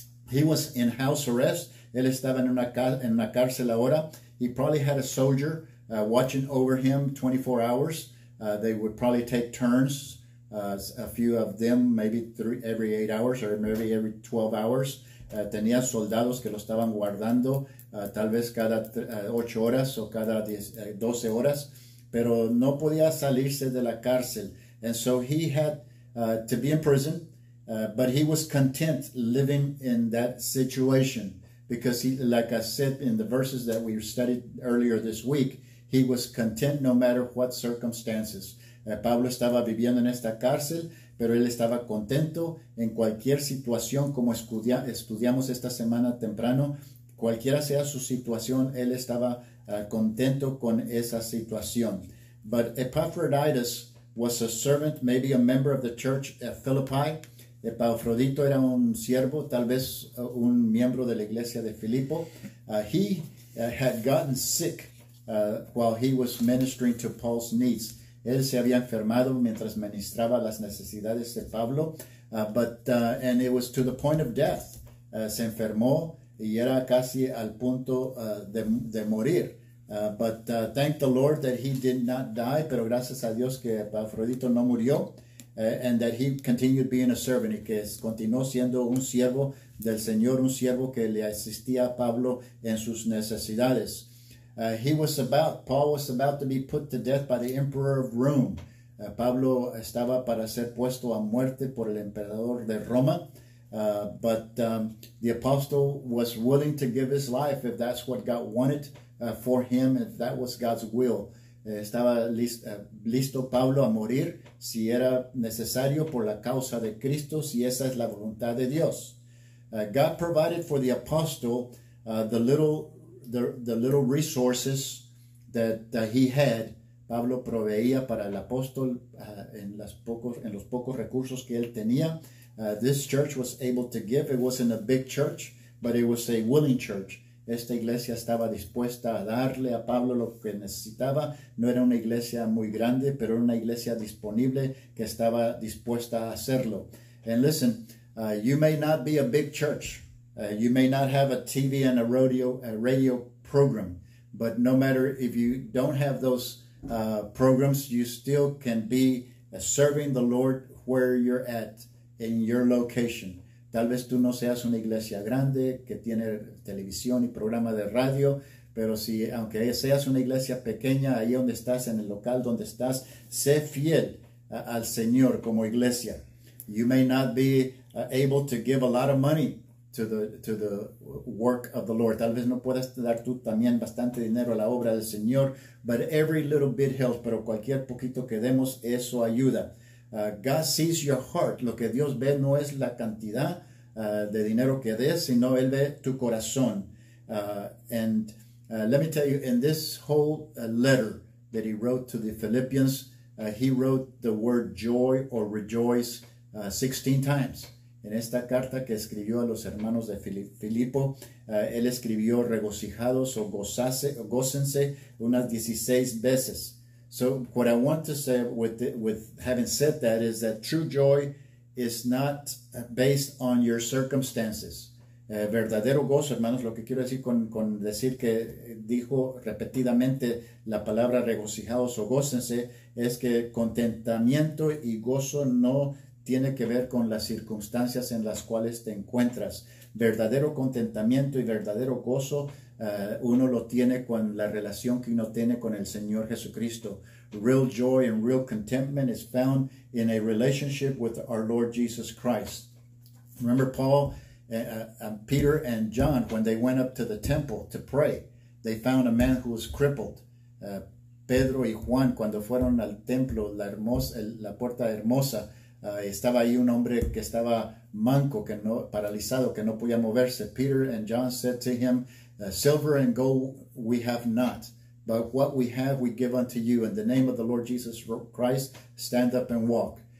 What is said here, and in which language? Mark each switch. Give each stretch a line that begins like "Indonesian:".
English: He was in house arrest.
Spanish: Él estaba en una cárcel ahora.
English: He probably had a soldier watching over him 24 hours. They would probably take turns, a few of them, maybe every 8 hours or maybe every 12 hours.
Spanish: Tenía soldados que lo estaban guardando, tal vez cada 8 horas o cada 12 horas. Pero no podía salirse de la cárcel.
English: And so he had to be in prison, but he was content living in that situation. Because, like I said in the verses that we studied earlier this week, he was content no matter what circumstances.
Spanish: Pablo estaba viviendo en esta cárcel, pero él estaba contento en cualquier situación, como estudiamos esta semana temprano. Cualquiera sea su situación, él estaba contento con esa situación.
English: But Epaphroditus was a servant, maybe a member of the church at Philippi.
Spanish: Epafrodito era un siervo, tal vez un miembro de la iglesia de Filipo.
English: He had gotten sick while he was ministering to Paul's needs.
Spanish: Él se había enfermado mientras ministraba las necesidades de Pablo.
English: And it was to the point of death.
Spanish: Se enfermó y era casi al punto de morir.
English: Thank the Lord that he did not die,
Spanish: pero gracias a Dios que Epafrodito no murió.
English: And that he continued being a servant,
Spanish: y que continuó siendo un siervo del Señor, un siervo que le asistía a Pablo en sus necesidades.
English: Paul was about to be put to death by the emperor of Rome.
Spanish: Pablo estaba para ser puesto a muerte por el emperador de Roma.
English: The apostle was willing to give his life if that's what God wanted for him, if that was God's will.
Spanish: Estaba listo Pablo a morir si era necesario por la causa de Cristo, si esa es la voluntad de Dios.
English: God provided for the apostle the little resources that he had.
Spanish: Pablo proveía para el apóstol en los pocos recursos que él tenía.
English: This church was able to give. It wasn't a big church, but it was a willing church.
Spanish: Esta iglesia estaba dispuesta a darle a Pablo lo que necesitaba. No era una iglesia muy grande, pero era una iglesia disponible que estaba dispuesta a hacerlo.
English: And listen, you may not be a big church. You may not have a TV and a radio program. But no matter if you don't have those programs, you still can be serving the Lord where you're at in your location.
Spanish: Tal vez tú no seas una iglesia grande que tiene televisión y programa de radio, pero si aunque seas una iglesia pequeña, ahí donde estás, en el local donde estás, sé fiel al Señor como iglesia.
English: You may not be able to give a lot of money to the work of the Lord.
Spanish: Tal vez no puedas dar tú también bastante dinero a la obra del Señor,
English: but every little bit helps,
Spanish: pero cualquier poquito que demos, eso ayuda.
English: God sees your heart.
Spanish: Lo que Dios ve no es la cantidad de dinero que des, sino Él ve tu corazón.
English: Let me tell you, in this whole letter that he wrote to the Philippians, he wrote the word joy or rejoice 16 times.
Spanish: En esta carta que escribió a los hermanos de Filipo, él escribió regocijados o gócense unas 16 veces.
English: So what I want to say with having said that is that true joy is not based on your circumstances.
Spanish: Verdadero gozo, hermanos, lo que quiero decir con decir que dijo repetidamente la palabra regocijados o gócense, es que contentamiento y gozo no tiene que ver con las circunstancias en las cuales te encuentras. Verdadero contentamiento y verdadero gozo uno lo tiene con la relación que uno tiene con el Señor Jesucristo.
English: Real joy and real contentment is found in a relationship with our Lord Jesus Christ. Remember Paul, Peter and John, when they went up to the temple to pray, they found a man who was crippled.
Spanish: Pedro y Juan, cuando fueron al templo, la puerta hermosa, estaba ahí un hombre que estaba manco, que no, paralizado, que no podía moverse.
English: Peter and John said to him, silver and gold we have not, but what we have we give unto you. In the name of the Lord Jesus Christ, stand up and walk.